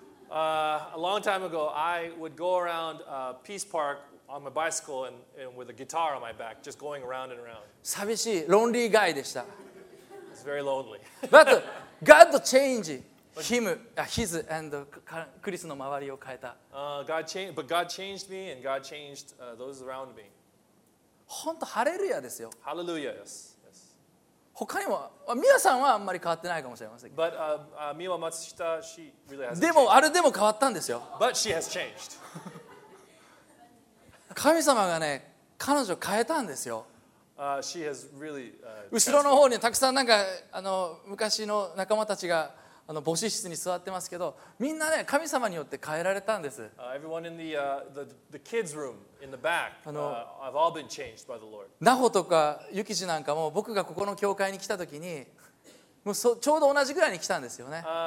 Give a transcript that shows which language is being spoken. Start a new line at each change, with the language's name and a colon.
English: A long time ago, I would go around Peace Park. On my bicycle and with a guitar on my back, just going around and around.
Japanese: 寂しい、ロンリーガイでした。
English: It's very lonely. But God changed him, his and Chris
Japanese: の周りを変えた。
English: But God changed me and God changed those around me.
Japanese: 本当、ハレルヤですよ。
English: Hallelujah, yes.
Japanese: 他にも、ミヤさんはあんまり変わってないかもしれませんけど。
English: But Miwa Matsushita, she really has
Japanese: でも、あれでも変わったんですよ。
English: But she has changed.
Japanese: 神様がね、彼女を変えたんですよ。
English: She has really,
Japanese: 後ろの方にたくさんなんかあの昔の仲間たちがあの母子室に座ってますけど、みんなね、神様によって変えられたんです。
English: Everyone in the kids room in the back have all been changed by the Lord.
Japanese: ナホとかユキジなんかも僕がここの教会に来た時にもうちょうど同じぐらいに来たんですよね。